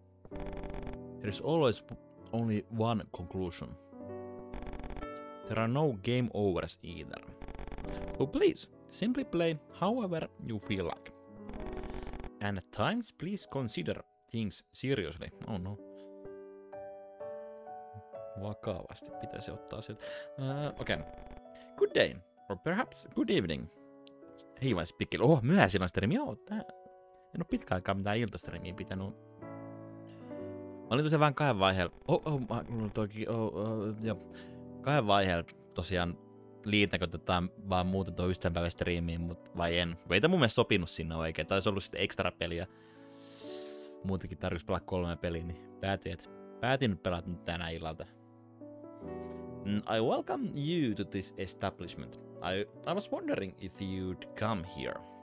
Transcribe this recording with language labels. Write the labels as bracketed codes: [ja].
[en] There is always only one conclusion. There are no game overs either. So please, simply play however you feel like. And at times, please consider things seriously. Oh no. [fi] Vakavasti pitäisi ottaa sieltä. [en] Okei. Okay. Good day. Or perhaps good evening. [fi] Hei vaan spikkeli. Oh, myöhäisillä on streami. Joo, tää. En oo pitkä aikaa mitään iltastreamiä pitänyt. Mä olin tosiaan vähän kahden vaiheella. Kahden vaiheella tosiaan liitänkö tätä vaan muuten tuohon ystävänpäivän striimiin, mutta vai en. Ei tämä mun mielestä sopinut sinne oikein. Tämä olisi ollut sitten ekstra peliä. Muutenkin tarkoitus pelaa 3 peliä, niin päätin pelata nyt tänä illalta. [en] I welcome you to this establishment. I was wondering if you'd come here.